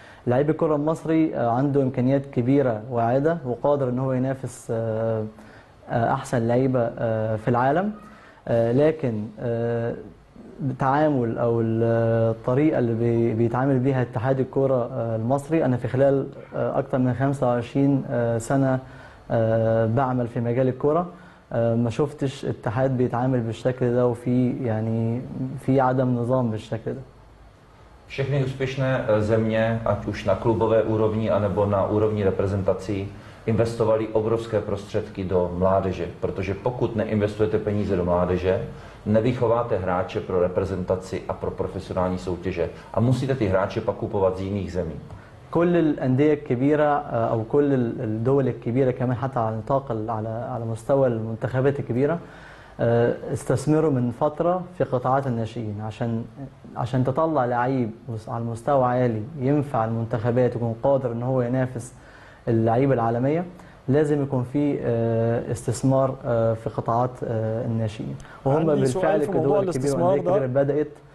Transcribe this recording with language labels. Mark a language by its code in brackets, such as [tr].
[ar] لعيب الكرة المصري عنده إمكانيات كبيرة واعدة وقادر إن هو ينافس أحسن لعيبة في العالم، لكن التعامل أو الطريقة اللي بيتعامل بيها اتحاد الكرة المصري، أنا في خلال أكثر من 25 سنة بعمل في مجال الكرة ما شفتش اتحاد بيتعامل بالشكل ده وفي يعني في عدم نظام بالشكل ده. [cs] Všechny úspěšné země, ať už na klubové úrovni anebo na úrovni reprezentací, investovali obrovské prostředky do mládeže, protože pokud neinvestujete peníze do mládeže, nevychováte hráče pro reprezentaci a pro profesionální soutěže a musíte ty hráče pak kupovat z jiných zemí. [ar] كل الانديه الكبيره او كل الدول الكبيره كمان حتى على نطاق على مستوى المنتخبات الكبيره استثمروا من فتره في قطاعات الناشئين عشان تطلع لعيب على مستوى عالي ينفع المنتخبات ويكون قادر ان هو ينافس اللعيبه العالميه لازم يكون في استثمار في قطاعات الناشئين وهم بالفعل كدول كبيره بدات.